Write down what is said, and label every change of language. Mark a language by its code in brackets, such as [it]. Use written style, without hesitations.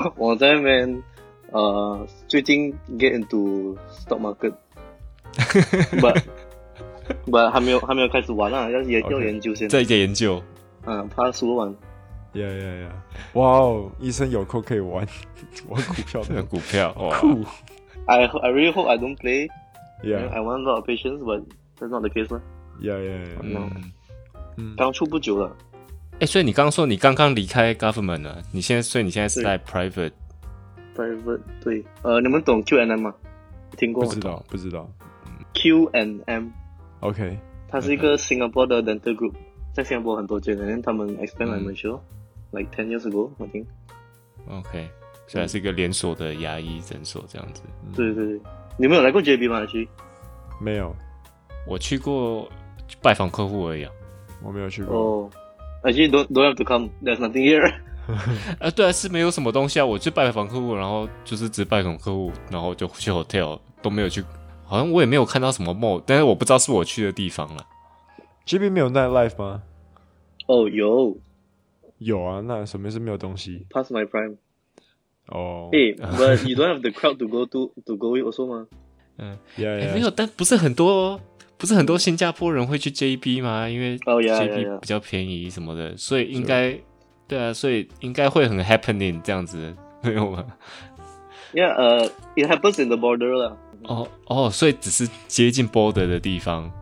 [zh] 我在那边最近 [en] get into stock market， [zh] but 还没有开始玩啊，要研究先。再一个研究，怕输完。 [en] Yeah. [zh] 哇哦，医生有空可以玩股票的股票，哇。 [en] I really hope I don't play. Yeah. I want a lot of patience, but that's not the case, man. Yeah. [zh] 刚出不久了。所以你刚刚说你刚刚离开 government 了，所以你现在是在 private。 private 对，你们懂 QNM 吗？听过？不知道，不知道。 [en] Q Q&M。 OK， [zh] 它是一个 Singapore 的 Dental Group， 在新加坡很多间，然后他们 expand 来 Malaysia、 [en] like 10 years ago I think。 [zh] OK， 所以它是一个连锁的牙医诊所这样子、对对对。你没有来过 JB 吗？去没有，我去过拜访客户而已、我没有去过、 [en] Actually don't have to come, there's nothing here。 [zh] 对啊，是没有什么东西啊，我去拜访客户，然后就是只拜访客户，然后就去 hotel， 都没有去，好像我也没有看到什么 mall， 但是我不知道是我去的地方啦。 JB 没有 nightlife 吗？哦、有有啊，那什么是没有东西？ [en] Pass my prime。哦、 hey, but you don't have the crowd to go to, to go with also 吗？ yeah, yeah. [zh] 没有，但不是很多哦，不是很多新加坡人会去 JB 吗？因为 JB 比较便宜什么的，所以应该、对啊，所以应该会很 happening 这样子，没有吗？ [en] Yeah, it happens in the border 啦。 [zh] 哦哦，所以只是接近 border 的地方